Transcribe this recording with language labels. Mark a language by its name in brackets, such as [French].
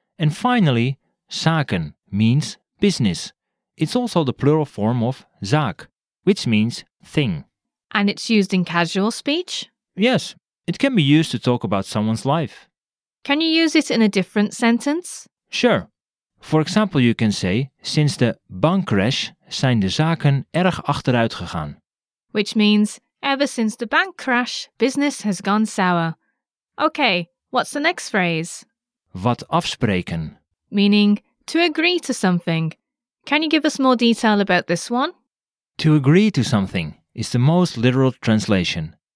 [English] And finally, zaken means business. It's also the plural form of zaak, which means thing. And it's used in casual speech? Yes, it can be used to talk about someone's life. Can you use it in a different sentence? Sure. For example, you can say, [Dutch] sinds de bankcrash zijn de zaken erg achteruit gegaan. [English] Which means, ever since the bank crash, business has gone sour. Okay, what's the next phrase? [Dutch] Wat afspreken. [English] Meaning, to agree to something. Can you give us more detail about this one? To agree to something is the most literal translation.